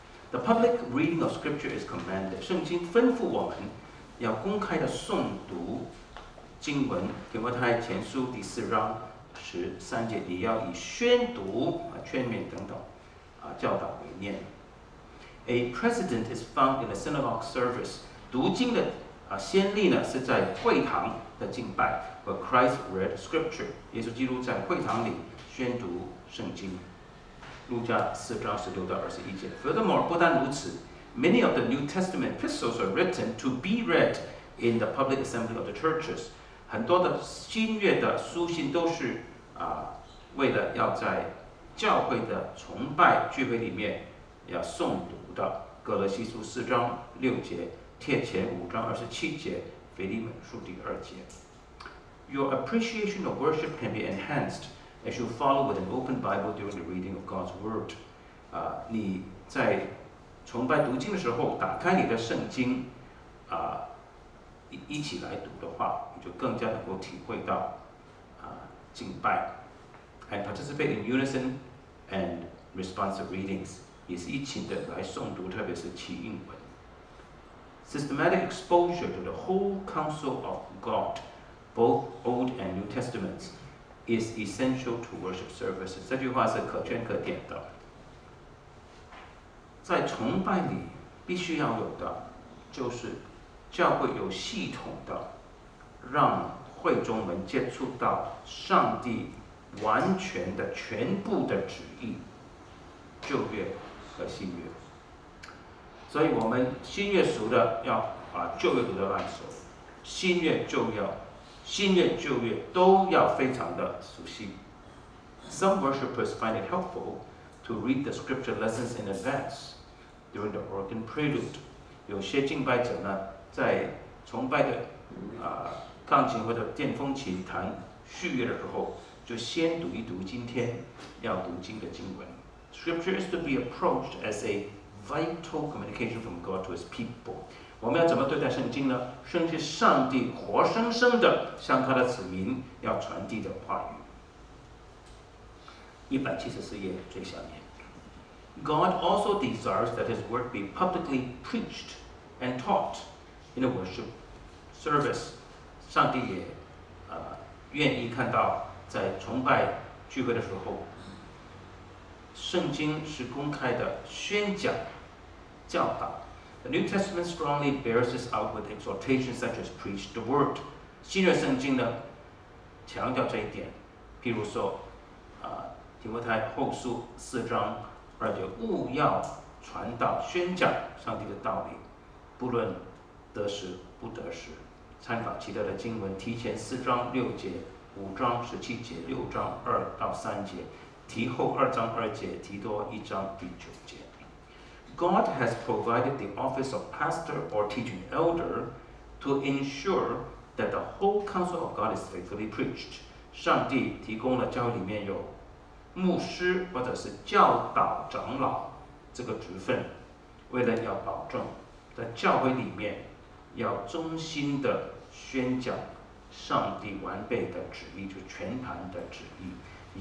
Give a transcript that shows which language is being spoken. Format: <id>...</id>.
<en>The public reading of scripture is commanded.</en> <zh>圣经吩咐我们要公开的诵读经文，提摩太前书第四章十三节，也要以宣读啊、劝勉等等啊教导为念。</zh> <en>A precedent is found in the synagogue service.</en> <zh>读经的先例呢是在会堂的敬拜。</zh> <en>Where Christ read scripture.</en> <zh>耶稣基督在会堂里宣读圣经。路加四章十六到二十一节。</zh> <en>Furthermore,</en> <zh>不但如此</zh> <en>，many of the New Testament epistles are written to be read in the public assembly of the churches.</en> <zh>很多的新约的书信都是为了要在教会的崇拜聚会里面要诵读的。哥罗西书四章六节，帖前五章二十七节，腓立门书第二节。</zh> <en>Your appreciation of worship can be enhanced. As you follow with an open Bible during the reading of God's Word.</en> <zh>你在崇拜读经的时候打开你的圣经一起来读的话，你就更加能够体会到敬拜。</zh> <en>And participate in unison and responsive readings.</en> <zh>也是一起的来诵读，特别是起应文。</zh> <en>Systematic exposure to the whole counsel of God, both Old and New Testaments,is essential to worship services.</en> <zh>这句话是可圈可点的。在崇拜里必须要有的就是教会有系统的让会众们接触到上帝完全的全部的旨意，旧约和新约。所以我们新约熟的要把旧约读的烂熟，新约就要新月旧月都要非常的熟悉。</zh> <en>Some worshippers find it helpful to read the scripture lessons in advance during the organ prelude.</en> <zh>有些敬拜者呢，在崇拜的钢琴或者电风琴弹序乐的时候，就先读一读今天要读经的经文。</zh> <en>Scripture is to be approached as a vital communication from God to His people.</en> <zh>我们要怎么对待圣经呢？圣经是上帝活生生的向他的子民要传递的话语。 174页最下面。</zh> <en>God also desires that his word be publicly preached and taught in a worship service.</en> <zh>上帝也愿意看到在崇拜聚会的时候，圣经是公开的宣讲教导。</zh> <en>The New Testament strongly bears this out with exhortations such as preach the word.</en> <zh>新约圣经呢，强调这一点。譬如说，提摩太后书四章二节，务要传道宣讲上帝的道理，不论得时不得时。参考其他的经文，提前四章六节、五章十七节、六章二到三节、提后二章二节、提多一章第九节。</zh> <en>God has provided the office of pastor or teaching elder to ensure that the whole counsel of God is faithfully preached.</en> <zh>上帝提供了教会里面有牧师或者是教导长老这个职分，为了要保证在教会里面要忠心的宣讲上帝完备的旨意，就是全盘的旨意。</zh>